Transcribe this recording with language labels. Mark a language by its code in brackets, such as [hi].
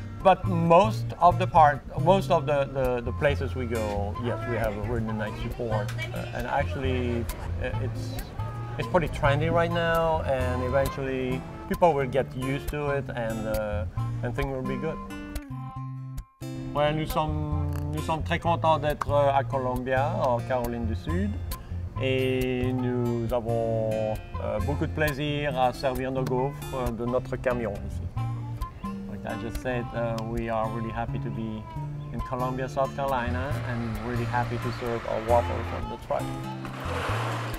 [en] But most of the part, most of the places we go, yes, we have a really nice support. And actually, it's pretty trendy right now, and eventually people will get used to it, and things will be good. [fr] Well, nous sommes très contents d'être à Colombia, en Caroline du Sud, et nous avons beaucoup de plaisir à servir nos gaufres de notre camion ici. [en] Like I just said, we are really happy to be in Colombia, South Carolina, and really happy to serve our waffle from the truck.